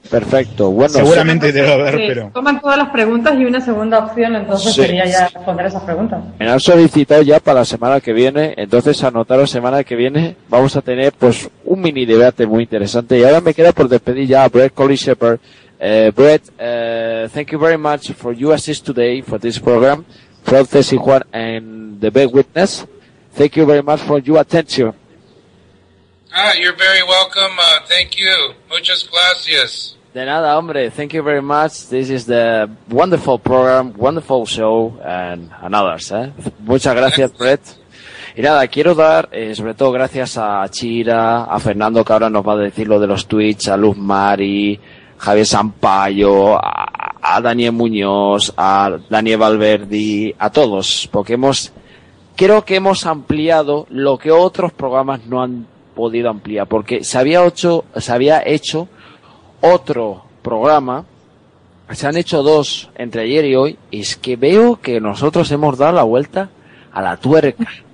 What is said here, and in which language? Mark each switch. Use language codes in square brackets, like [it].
[es] Perfecto. Bueno, seguramente debe haber, sí, pero... Toman todas las preguntas y una segunda opción, entonces sí. Sería ya responder esas preguntas. Me han solicitado ya para la semana que viene, entonces anotaros semana que viene. Vamos a tener pues un mini debate muy interesante. Y ahora me queda por despedir ya a Brett Colley Shepard. [en] Brett, thank you very much for your assist today for this program. Frances y Juan and the big witness. Thank you very much for your attention. You're very welcome. Thank you. [es] Muchas gracias. De nada, hombre. [en] Thank you very much. This is the wonderful program, wonderful show, and others. [es] Muchas gracias, Brett. Y nada, quiero dar, sobre todo, gracias a Chira, a Fernando, que ahora nos va a decir lo de los tweets, a Luz Mari, Javier Sampaio, a Daniel Muñoz, a Daniel Valverde, a todos, porque hemos... Creo que hemos ampliado lo que otros programas no han podido ampliar, porque se había hecho otro programa, se han hecho dos entre ayer y hoy, y es que veo que nosotros hemos dado la vuelta a la tuerca.